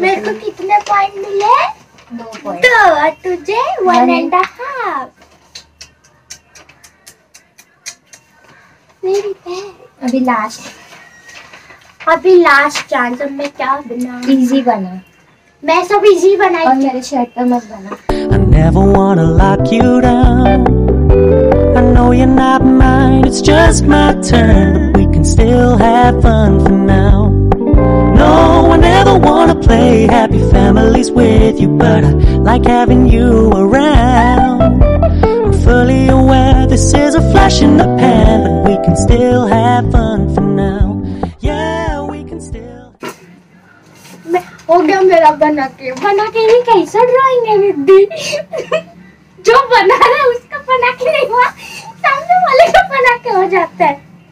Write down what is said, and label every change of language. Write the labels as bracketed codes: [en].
[hi] मेरे को कितने पॉइंट मिले दो पॉइंट दो और तुझे वन एंड हाफ मेरी पैर अभी लास्ट चांस अब मैं क्या बना इजी बना मैं सब इजी बनाई और मेरे शर्ट पे मत बना [en] I never wanna lock you down I know you're not mine, it's just my turn We can still have fun for now No, I never wanna play happy families with you But I like having you around I'm fully aware trash in the pan, but we can still have fun for now. Yeah, we can still. [hi] हो गया मेरा बना के भी कैसा drawing है विद्धि जो बना रहा उसका बना के नहीं हुआ सामने वाले का बना के हो जाता है